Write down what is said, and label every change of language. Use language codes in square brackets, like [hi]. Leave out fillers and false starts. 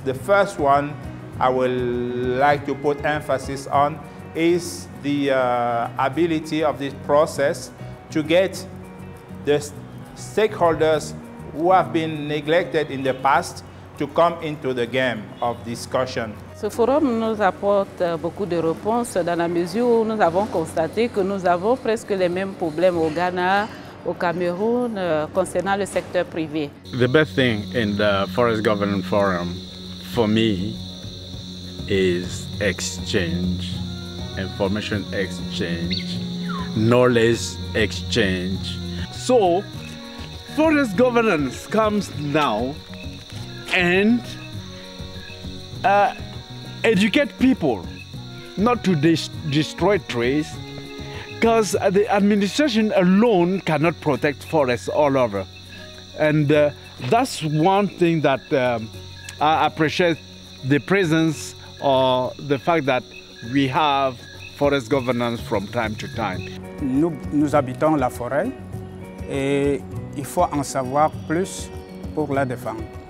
[en] The first one I would like to put emphasis on is the ability of this process to get the stakeholders who have been neglected in the past to come into the game of discussion. [fr] Ce forum nous apporte beaucoup de réponses dans la mesure où nous avons constaté que nous avons presque les mêmes problèmes au Ghana, au Cameroun, concernant le secteur privé. [en] The best thing in the Forest Governance Forum for me is exchange, information exchange, knowledge exchange. So, forest governance comes now and educate people not to destroy trees, because the administration alone cannot protect forests all over. And that's one thing that I appreciate, the presence or the fact that we have forest governance from time to time. [fr] Nous habitons la forêt et il faut en savoir plus pour la défendre.